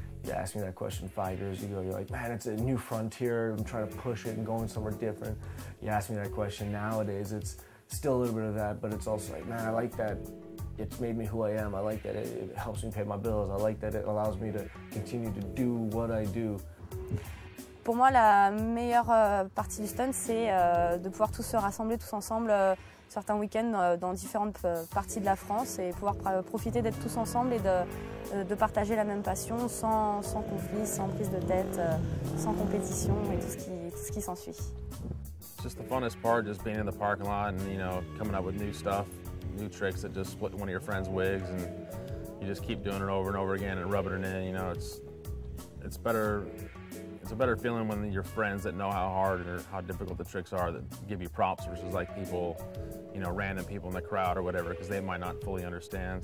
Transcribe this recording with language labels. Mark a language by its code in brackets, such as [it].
[en] You asked me that question 5 years ago, you're like, man, it's a new frontier, I'm trying to push it and going somewhere different. You ask me that question nowadays, it's still a little bit of that, but it's also like, man, I like that it's made me who I am. I like that it helps me pay my bills. I like that it allows me to continue to do what I do. [fr] Pour moi, la meilleure partie du stunt, c'est de pouvoir tous se rassembler tous ensemble certains week-ends dans différentes parties de la France et pouvoir profiter d'être tous ensemble et de partager la même passion sans conflit, sans prise de tête, sans compétition et tout ce qui s'ensuit. [en] Just the funnest part, just being in the parking lot and, you know, coming up with new stuff, new tricks that just split one of your friend's wigs, and you just keep doing it over and over again and rubbing it in. You know, it's better. it's a better feeling when your friends that know how hard or how difficult the tricks are that give you props versus like people, you know, random people in the crowd or whatever, because they might not fully understand.